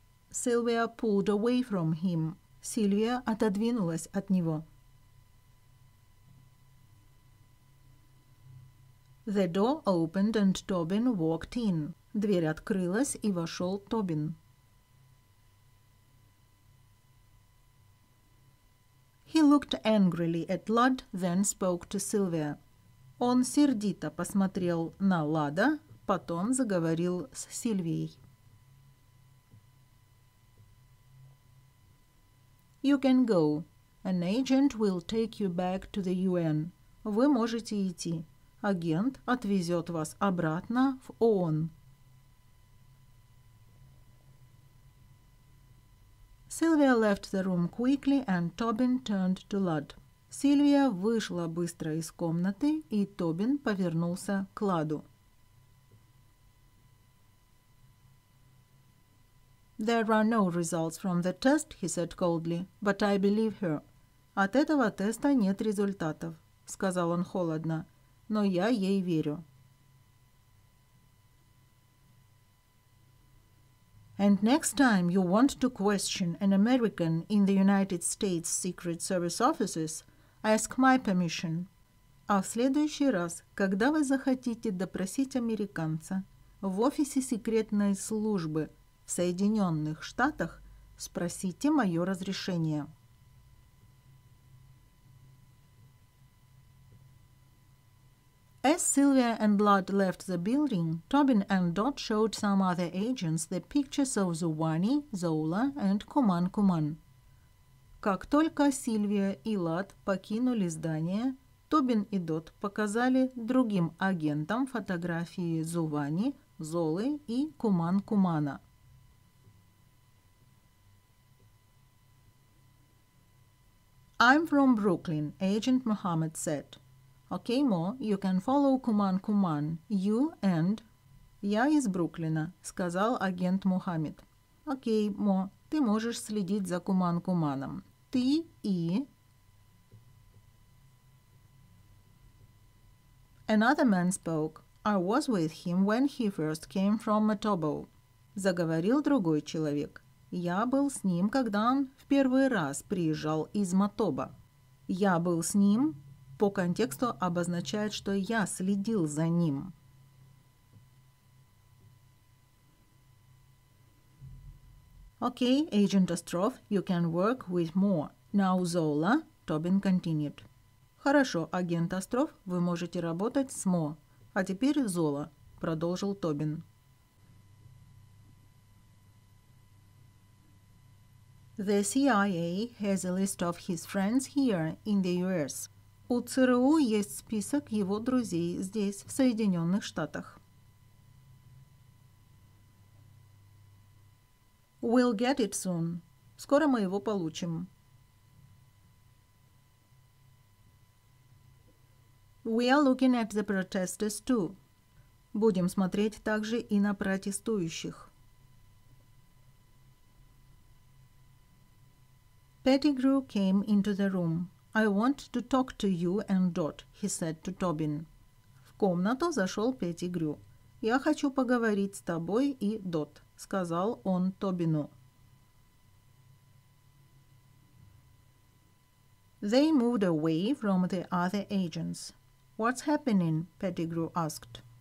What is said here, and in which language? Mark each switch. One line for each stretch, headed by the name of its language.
English: Sylvia pulled away from him.
Russian: Сильвия отодвинулась от него.
English: The door opened and Tobin walked in.
Russian: Дверь открылась и вошел Тобин.
English: He looked angrily at Lud, then spoke to Sylvia.
Russian: Он сердито посмотрел на Лада, потом заговорил с Сильвией.
English: You can go. An agent will take you back to the UN.
Russian: Вы можете идти. Агент отвезет вас обратно в ООН.
English: Sylvia left the room quickly and Tobin turned to Lad.
Russian: Сильвия вышла быстро из комнаты, и Тобин повернулся к Ладу.
English: There are no results from the test, he said coldly, but I believe her.
Russian: От этого теста нет результатов, сказал он холодно, но я ей верю.
English: And next time you want to question an American in the United States Secret Service offices, ask my permission.
Russian: А в следующий раз, когда вы захотите допросить американца в офисе секретной службы в Соединенных Штатах, спросите мое разрешение.
English: As Sylvia and Lud left the building, Tobin and Dot showed some other agents the pictures of Zuwani, Zola and Kuman Kuman.
Russian: Как только Сильвия и Лад покинули здание, Тобин и Дот показали другим агентам фотографии Зувани, Золы и Куман-Кумана.
English: — I'm from Brooklyn, Agent Muhammad said. Окей, Мо, you can follow Kuman Kuman, you and...
Russian: Я из Бруклина, сказал агент Мухаммед. Окей, Мо, ты можешь следить за Kuman Kumanом. Ты и...
English: Another man spoke. I was with him when he first came from Matobo.
Russian: Заговорил другой человек. Я был с ним, когда он в первый раз приезжал из Матоба. Я был с ним по контексту обозначает, что я следил за ним.
English: Okay, Agent Ostrov, you can work with more. Now Zola, Tobin continued.
Russian: Хорошо, агент Остров, вы можете работать с Мо. А теперь Зола, продолжил Тобин.
English: The CIA has a list of his friends here in the US.
Russian: У ЦРУ есть список его друзей здесь, в Соединенных Штатах.
English: We'll get it soon.
Russian: Скоро мы его получим.
English: We are looking at the protesters too.
Russian: Будем смотреть также и на протестующих.
English: Pettigrew came into the room. I want to talk to you and Dot, he said to Tobin.
Russian: В комнату зашел Pettigrew. Я хочу поговорить с тобой и Дот, сказал он Тобину.
English: They moved away from the other agents. What's happening? Pettigrew asked.